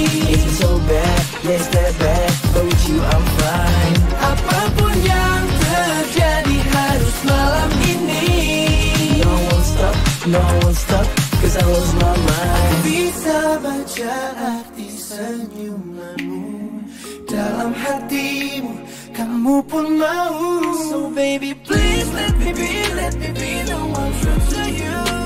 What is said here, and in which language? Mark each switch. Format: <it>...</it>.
<en>It's been so bad, yes that bad, but with you I'm fine.</en> <id>Apapun yang terjadi harus malam ini.</id> <en>No one stop, no one stop, cause I lost my mind.</en> <id>Bisa baca arti senyumanmu dalam hatimu, kamu pun mau.</id> <en>So baby please let me be the one true to you.</en>